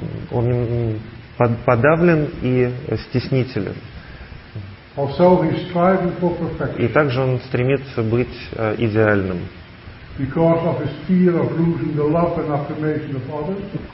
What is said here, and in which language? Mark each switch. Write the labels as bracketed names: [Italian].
[Russian] Он подавлен и стеснителен. [English] Also, he's striving for perfection. [Russian] И также он стремится быть идеальным. [English] Because of his fear of losing the love and affirmation of others.